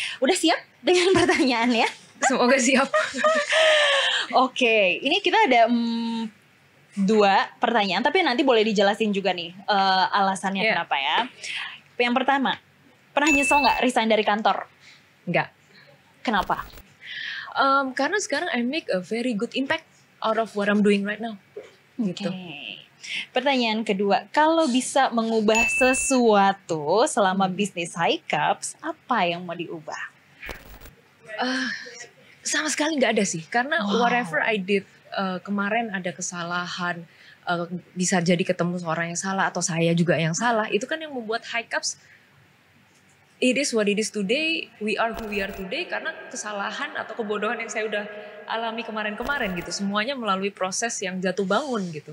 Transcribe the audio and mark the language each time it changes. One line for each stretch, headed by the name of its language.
Indonesian: Udah siap dengan pertanyaannya? Semoga siap. Oke, ini kita ada dua pertanyaan, tapi nanti boleh dijelasin juga nih alasannya kenapa ya. Yang pertama, pernah nyesel nggak resign dari kantor? Nggak. Kenapa? Karena sekarang
English: I make a very good impact out of what I'm doing right now. Okay.
Indonesian: Gitu. Pertanyaan kedua, kalau bisa mengubah sesuatu selama bisnis High Cups, apa yang mau diubah? Sama sekali gak ada sih, karena
English: whatever I did
Indonesian: kemarin ada kesalahan, bisa jadi ketemu seorang yang salah atau saya juga yang salah, itu kan yang membuat High Cups,
English: it is what it is today, we are who we are today,
Indonesian: karena kesalahan atau kebodohan yang saya udah alami kemarin-kemarin gitu, semuanya melalui proses yang jatuh bangun gitu.